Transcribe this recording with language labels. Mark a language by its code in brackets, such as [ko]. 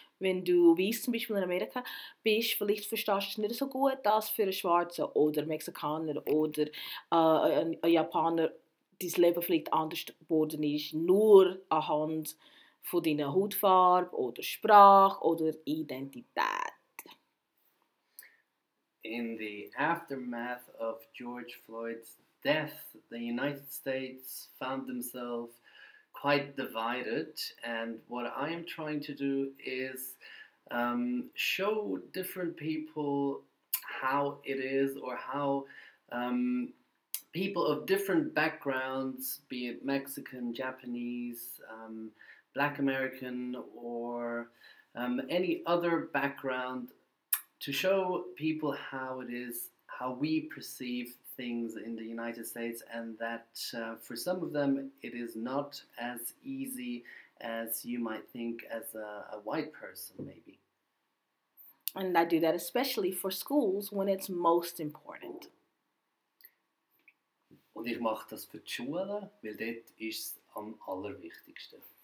[de] Wenn du weiss, zum Beispiel in Amerika bist, vielleicht verstehst du es nicht so gut, dass für einen Schwarzen oder Mexikaner oder einen Japaner dein Leben vielleicht anders geworden ist, nur anhand von deiner Hautfarbe oder Sprache oder Identität. [en] In the aftermath of George Floyd's death, the United States found themselves quite divided, and what I am trying to do is show different people how it is or how people of different backgrounds, be it Mexican, Japanese, Black American, or any other background, to show people how it is, how we perceive things in the United States, and that for some of them it is not as easy as you might think as a white person, maybe. And I do that especially for schools when it's most important. [de] Und ich mache das für die Schulen, weil dort ist es am allerwichtigsten.